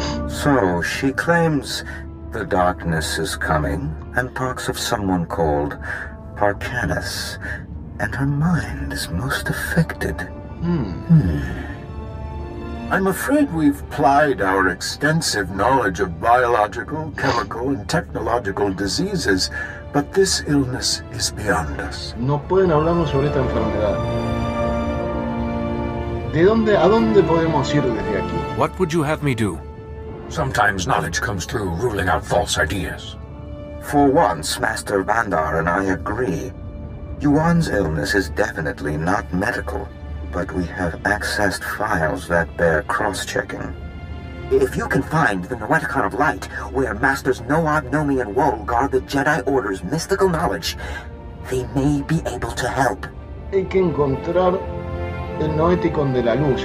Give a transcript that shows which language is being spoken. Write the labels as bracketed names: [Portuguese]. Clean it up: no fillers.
[English] So, she claims the darkness is coming and talks of someone called Parcanus, and her mind is most affected. I'm afraid we've plied our extensive knowledge of biological, chemical, and technological diseases, but this illness is beyond us. [Spanish] No pueden hablarnos sobre esta enfermedad. ¿De dónde, a dónde podemos ir desde aquí? [English] What would you have me do? Sometimes knowledge comes through ruling out false ideas. For once, Master Vandar and I agree. Yuan's illness is definitely not medical. But we have accessed files that bear cross-checking. If you can find the Noeticon of Light, where Masters Noad, Nomi, and Wol guard the Jedi Order's mystical knowledge, they may be able to help. [Spanish] Hay que encontrar el Noeticon de la Luz.